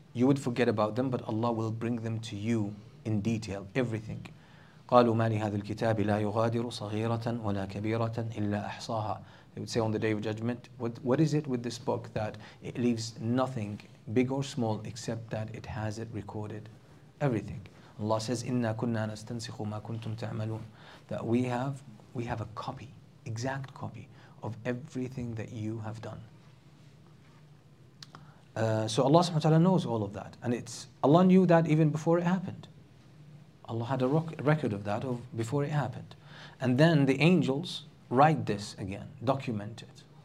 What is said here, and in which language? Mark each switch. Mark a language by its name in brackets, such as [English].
[English] You would forget about them, but Allah will bring them to you in detail, everything. [Arabic] قَالُوا مَا لِهَذَا الْكِتَابِ لَا يُغَادِرُ صَغِيرَةً وَلَا كَبِيرَةً إِلَّا أَحْصَاهَا. [English] They would say on the Day of Judgment, what is it with this book that it leaves nothing, big or small, except that it has it recorded, everything. [Arabic] Allah says, إِنَّا كُنَّا نَسْتَنْسِخُ مَا كُنْتُمْ تَعْمَلُونَ. [English] That we have a copy, exact copy, of everything that you have done. So Allah subhanahu wa ta'ala knows all of that. And it's Allah knew that even before it happened. Allah had a record of that of before it happened. And then the angels write this again, document it.